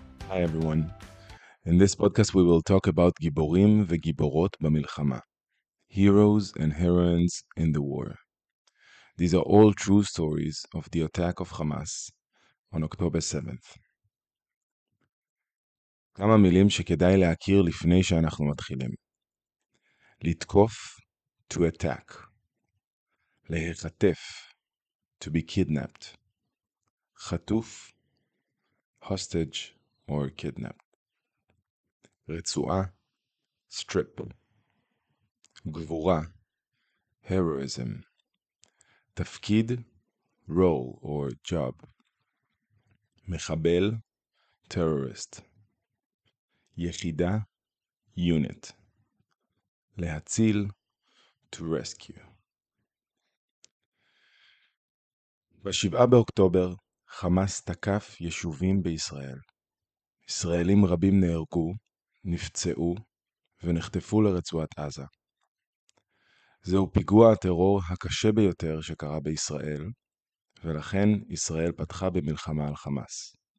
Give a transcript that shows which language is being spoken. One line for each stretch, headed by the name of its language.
English: Hi everyone. In this podcast we will talk about
Hebrew: Giborim veGiborot bamilchama.
English: Heroes and heroines in the war. These are all true stories of the attack of Hamas on October 7th.
Hebrew: כמה מילים שכדאי להכיר לפני שאנחנו מתחילים.
English: לתקוף, to attack. להיחטף, to be kidnapped. חטוף, hostage or kidnapped.
Hebrew: רצועה, strip. גבורה, heroism.
English: תפקיד, role or job. מחבל, terrorist. יחידה, unit. להציל, to rescue.
Hebrew: בשבעה באוקטובר, חמאס תקף יישובים בישראל. ישראלים רבים נהרגו, נפצעו ונחטפו לרצועת עזה. זהו פיגוע הטרור הקשה ביותר שקרה בישראל, ולכן ישראל פתחה במלחמה על חמאס.